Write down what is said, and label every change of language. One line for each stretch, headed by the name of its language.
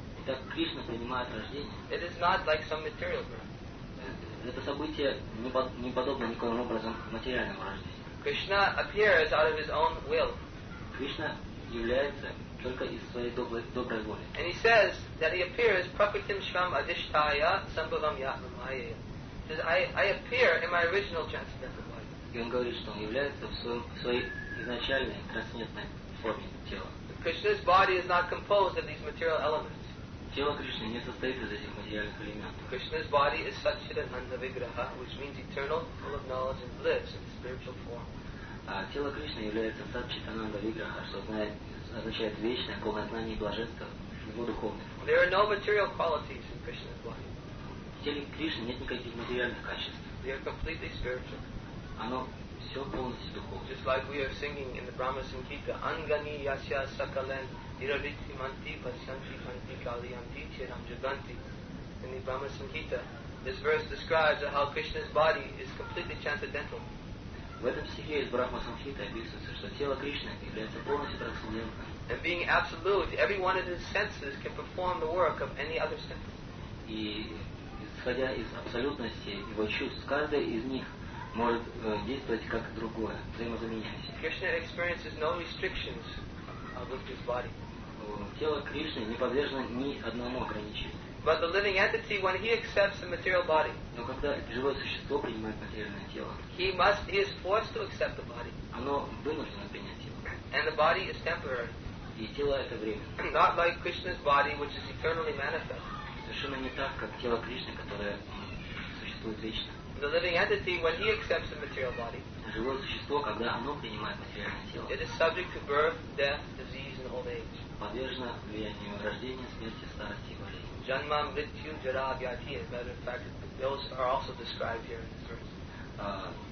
Russian: Итак, Кришна принимает рождение,
English: it is not like some material birth.
Russian: Это событие не подобно никоим образом материальному рождению.
English: Krishna appears out of his own will.
Russian: Кришна является только из своей доброй воли.
English: And he says that he appears
Sanskrit: prakritim shvam adishtaya sambhavam yatmamaya.
English: Says, I appear in my original transcendental body.
Russian: И он говорит, что он является в своей изначальной трансцендентной форме тела.
English: Krishna's body is not composed of these material elements.
Russian: Тело Кришны не состоит из этих материальных элементов.
English: Krishna's body is Satchidananda Vigraha, which means eternal, full of knowledge and bliss in spiritual form.
Russian: А тело Кришны является Satchidananda Vigraha, что знает, означает вечное, полное знание и блаженство в его духовной форме.
English: There are no material qualities in Krishna's body.
Russian: В теле Кришны нет никаких материальных качеств.
English: We are completely spiritual.
Russian: Оно все полностью духовное.
English: Just like we are singing in the Brahma Sankhita,
Sanskrit: Angani Yasya Sakalen Iraritti Manti Pasyanti Manti Kaliyanti Chiram Jaganti.
English: In the Brahma Sankhita, this verse describes how Krishna's body is completely transcendental.
Russian: В этом стихе из Брахма Санхита описывается, что тело Кришны является полностью трансцендентным.
English: And being absolute, every one of his senses can perform the work of any other sense.
Russian: И исходя из абсолютности его чувств, каждый из них может действовать как другое, взаимозаменяясь.
English: Krishna experiences no restrictions with his body.
Russian: Тело Кришны не подвержено ни одному ограничению.
English: But the living entity, when he accepts the material body,
Russian: но когда живое существо принимает материальное тело,
English: he is forced to accept the body.
Russian: Оно вынуждено принять тело.
English: And the body is temporary.
Russian: И тело это временное.
English: Not like Krishna's body, which is eternally manifest.
Russian: Совершенно не так, как тело Кришны, которое существует вечно.
English: The living entity, when he accepts the material body,
Russian: живое существо, когда оно принимает материальное тело,
English: it is subject to birth, death, disease, and old age.
Russian: Подвержено влиянию рождения, смерти, старости и болезни.
Sanskrit: Janma, mrityu, jara, vyadhi.
English: As a matter of fact, those are also described here in this verse.